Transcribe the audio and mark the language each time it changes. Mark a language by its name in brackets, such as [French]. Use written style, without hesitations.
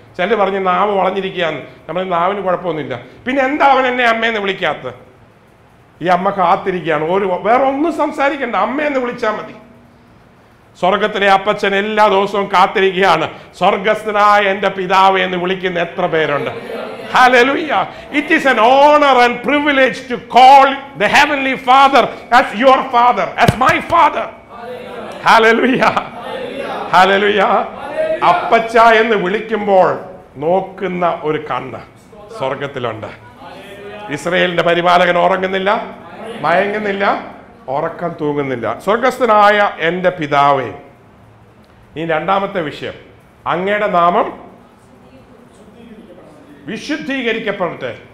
[Malayalam] ചില പറഞ്ഞ് നാവ് വളഞ്ഞിരിക്കുകയാണ്, നമ്മൾ നാവിന് കുഴപ്പമൊന്നുമില്ല. പിന്നെ എന്താ അവൻ എന്നെ അമ്മയെന്ന് വിളിക്കാത്തത്? ഈ അമ്മ കാത്തിരിക്കുകയാണ്, ഒരു വേറെ ഒന്നും സംസാരിക്കണ്ട, അമ്മയെന്ന് വിളിച്ചാൽ മതി. സ്വർഗത്തിലെ അപ്പച്ചൻ എല്ലാ ദിവസവും കാത്തിരിക്കുകയാണ്, സ്വർഗസ്ഥനായ എന്റെ പിതാവ് എന്ന് വിളിക്കുന്ന എത്ര പേരുണ്ട്? [English] Hallelujah. It is an honor and privilege to call the Heavenly Father as your Father, as my Father. Hallelujah. Hallelujah. [Malayalam] അപ്പച്ച എന്ന് വിളിക്കുമ്പോൾ നോക്കുന്ന ഒരു കണ്ണ് സ്വർഗത്തിലുണ്ട്. ഇസ്രായേലിന്റെ പരിപാലകൻ ഉറങ്ങുന്നില്ല, മയങ്ങുന്നില്ല, ഉറക്കം തൂങ്ങുന്നില്ല. സ്വർഗസ്ഥനായ എൻ്റെ പിതാവേ, ഈ രണ്ടാമത്തെ വിഷയം, അങ്ങയുടെ നാമം വിശുദ്ധീകരിക്കപ്പെടട്ടെ.